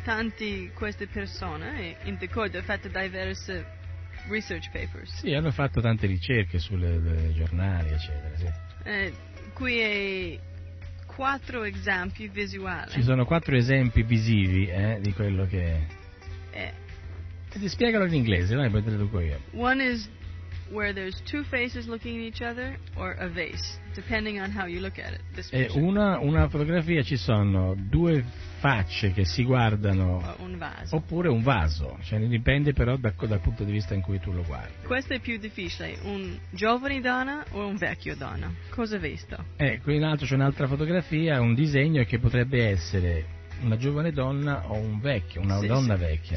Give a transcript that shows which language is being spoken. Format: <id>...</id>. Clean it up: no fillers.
<it>Tanti queste persone, in d'accordo, hanno fatto diverse</it> <en>research papers.</en> <it>Sì, hanno fatto tante ricerche sulle giornali, eccetera. Sì. Qui è quattro esempi visuali. Ci sono quattro esempi visivi di quello che... Ti spiegalo in inglese, vai, poi te lo dico io.</it> <en>One is where there's two faces looking at each other, or a vase, depending on how you look at it.</en> <it>E una fotografia, ci sono due facce che si guardano, un vaso. Oppure un vaso, cioè dipende però dal punto di vista in cui tu lo guardi. Questo è più difficile, un giovane donna o un vecchio donna, cosa hai visto? Qui in alto c'è un'altra fotografia, un disegno che potrebbe essere una giovane donna o un vecchio, una donna vecchia.</it>